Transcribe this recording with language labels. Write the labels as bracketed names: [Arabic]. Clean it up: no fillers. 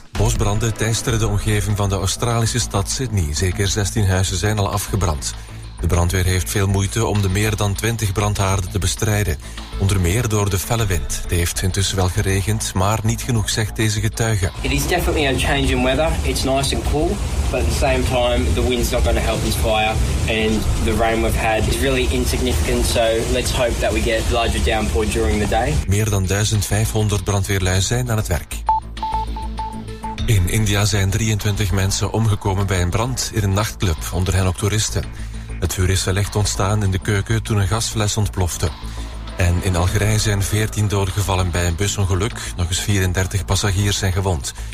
[Dutch] Bosbranden teisteren de omgeving van de Australische stad Sydney. Zeker 16 huizen zijn al afgebrand. De brandweer heeft veel moeite om de meer dan 20 brandhaarden te bestrijden. Onder meer door de felle wind. Het heeft intussen wel geregend, maar niet genoeg, zegt deze getuige. [English] It is definitely a change in weather. It's nice and cool. But at the same time, the wind's not going to help this fire. And the rain we've had is really insignificant. So let's hope that we get a larger downpour during the day. [Dutch] Meer dan 1500 brandweerlui zijn aan het werk. In India zijn 23 mensen omgekomen bij een brand in een nachtclub, onder hen ook toeristen. Het vuur is wellicht ontstaan in de keuken toen een gasfles ontplofte. En in Algerije zijn 14 doden gevallen bij een busongeluk. Nog eens 34 passagiers zijn gewond.